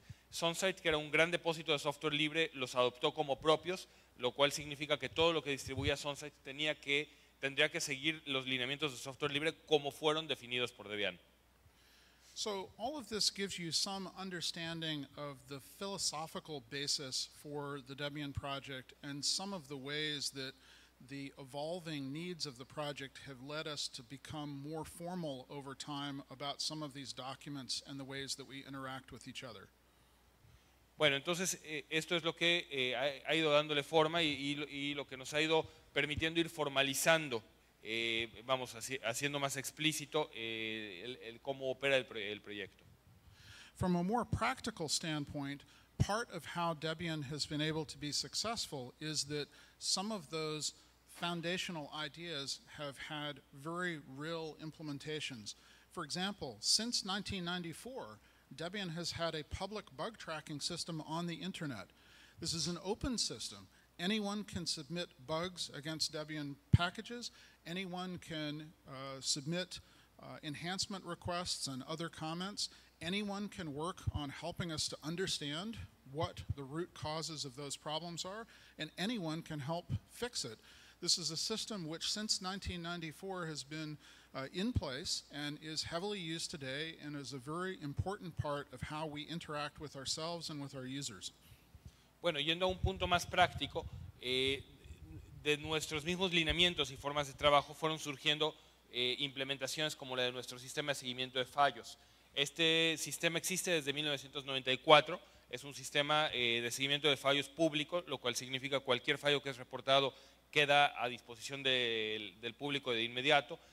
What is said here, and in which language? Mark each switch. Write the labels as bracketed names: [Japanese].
[Spanish] SunSight, que era un gran depósito de software libre, los adoptó como propios, lo cual significa que todo lo que distribuía SunSight tendría que seguir los lineamientos de software libre como fueron definidos por Debian. [English] So all of this gives you some understanding of the philosophical basis for the Debian project and some of the ways that the evolving needs of the project have led us to become more formal over time about some of these documents and the ways that we interact with each other. [Spanish] Bueno, entonces esto es lo que ha ido dándole forma y lo que nos ha ido permitiendo ir formalizando, vamos, haciendo más explícito el cómo opera el proyecto. [English] From a more practical standpoint, part of how Debian has been able to be successful is that some of those foundational ideas have had very real implementations. For example, since 1994, Debian has had a public bug tracking system on the internet. This is an open system. Anyone can submit bugs against Debian packages. Anyone can submit enhancement requests and other comments. Anyone can work on helping us to understand what the root causes of those problems are, and anyone can help fix it. This is a system which since 1994 has been in place and is heavily used today and is a very important part of how we interact with ourselves and with our users. [Spanish] Bueno, yendo a un punto más práctico, de nuestros mismos lineamientos y formas de trabajo fueron surgiendo implementaciones como la de nuestro sistema de seguimiento de fallos. Este sistema existe desde 1994. Es un sistema de seguimiento de fallos público, lo cual significa cualquier fallo que es reportado queda a disposición del público de inmediato.